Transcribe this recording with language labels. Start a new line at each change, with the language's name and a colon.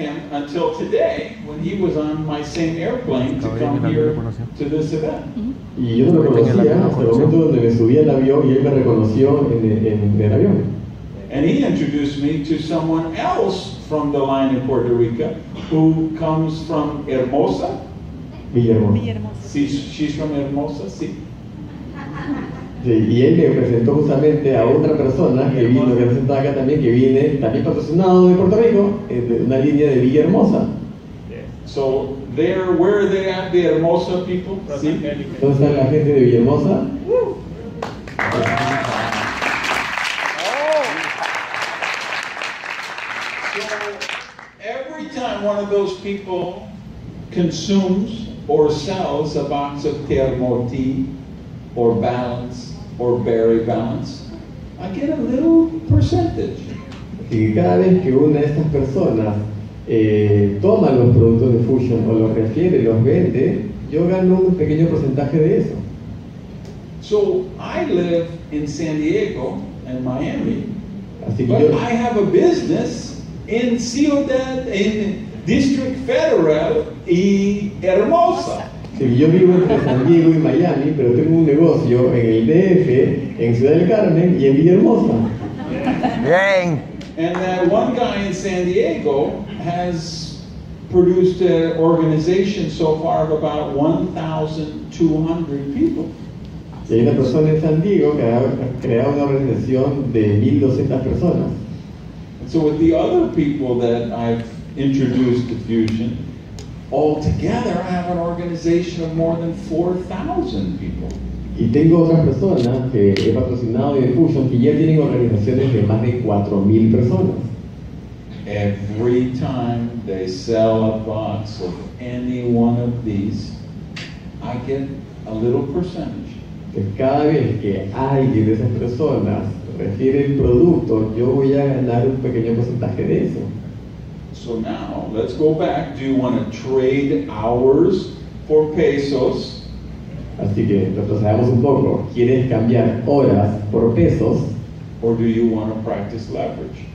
English: Until today, when he was on my same airplane to come here to this event.
Spanish: Y yo no lo conocía hasta el momento donde me subí al avión y él me reconoció en el avión.
English: And he introduced me to someone else from the line in Puerto Rico who comes from Hermosa. She's from Hermosa,
Spanish: sí. Sí, y él me presentó justamente a otra persona que vino, que presentaba acá también, que viene también patrocinado de Puerto Rico, de una línea de Villahermosa.
English: So there, where are they at, the Hermosa people?
Spanish: Sí. ¿Dónde está la gente de Villahermosa?
English: So every time one of those people consumes or sells a box of Thermoti or Balance or Berry Balance, I get a little percentage.
Spanish: Y cada vez que una de estas personas toma los productos de Fusion o los refiere, los vende, yo gano un pequeño porcentaje de eso.
English: So I live in San Diego and Miami,
Spanish: así que
English: but
Spanish: yo...
English: I have a business in Ciudad, in District Federal y Hermosa.
Spanish: Sí, yo vivo entre San Diego y Miami, pero tengo un negocio en el DF, en Ciudad del Carmen y en Villahermosa. Bien.
English: And that one guy in San Diego has produced an organization so far of about 1,200 people.
Spanish: Y hay una persona en San Diego que ha creado una organización de 1,200 personas.
English: So with the other people that I've introduced to Fusion, altogether I have an organization of more than 4,000 people.
Spanish: Y tengo otras personas que he patrocinado de Fusion que ya tienen organizaciones de más de 4,000 personas.
English: Every time they sell a box of any one of these, I get a little percentage.
Spanish: Que cada vez que alguien de esas personas refiere el producto, yo voy a ganar un pequeño porcentaje de eso.
English: So now, let's go back. Do you want to trade hours for pesos?
Spanish: Así que retrocedamos un poco. ¿Quieres cambiar horas por pesos?
English: Or do you want to practice leverage?